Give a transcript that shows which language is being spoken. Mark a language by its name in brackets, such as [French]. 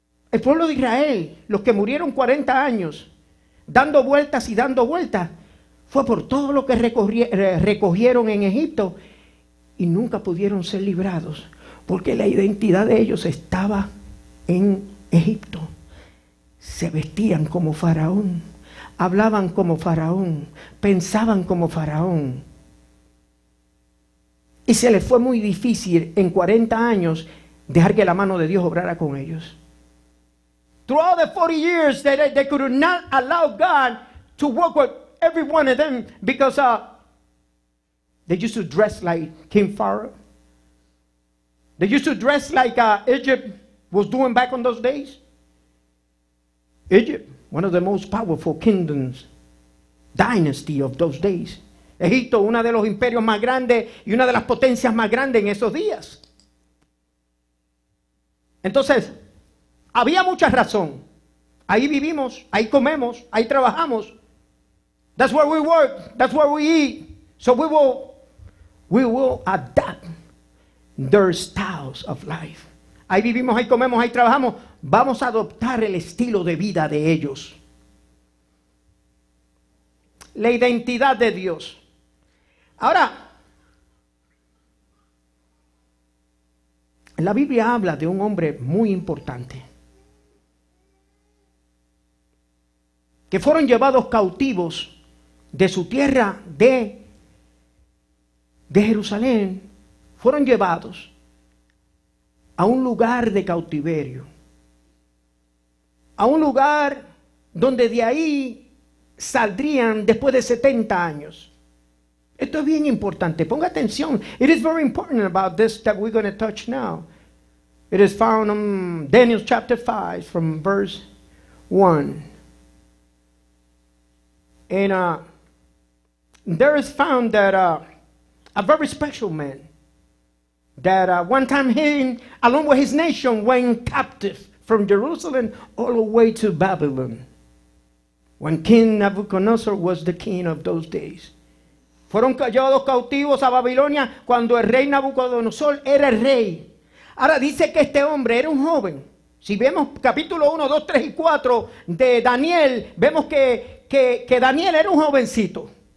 [Spanish] El pueblo de Israel, los que murieron 40 años, dando vueltas y dando vueltas, fue por todo lo que recogieron en Egipto y nunca pudieron ser librados, porque la identidad de ellos estaba en Egipto. Se vestían como faraón, hablaban como faraón, pensaban como faraón. Y se les fue muy difícil en 40 años dejar que la mano de Dios obrara con ellos. [English] Throughout the 40 years, they could not allow God to work with every one of them because they used to dress like King Pharaoh. They used to dress like Egypt was doing back in those days. Egypt, one of the most powerful kingdoms, dynasty of those days. [Spanish] Egipto, una de los imperios más grandes y una de las potencias más grandes en esos días. Entonces, había mucha razón. Ahí vivimos, ahí comemos, ahí trabajamos. [English] That's where we work, that's where we eat. So we will adapt their styles of life. [Spanish] Ahí vivimos, ahí comemos, ahí trabajamos. Vamos a adoptar el estilo de vida de ellos. La identidad de Dios. Ahora, la Biblia habla de un hombre muy importante, que fueron llevados cautivos de su tierra de Jerusalén, fueron llevados a un lugar de cautiverio, a un lugar donde de ahí saldrían después de 70 años. Esto es bien importante. Ponga atención. [English] It is very important about this that we're going to touch now. It is found in Daniel chapter 5 from verse 1. And there is found that a very special man that one time he, along with his nation, went captive from Jerusalem all the way to Babylon when King Nebuchadnezzar was the king of those days. [Spanish] Fueron llevados cautivos a Babilonia cuando el rey Nabucodonosor era el rey. Ahora dice que este hombre era un joven. Si vemos capítulo 1, 2, 3 y 4 de Daniel, vemos que Daniel era un jovencito.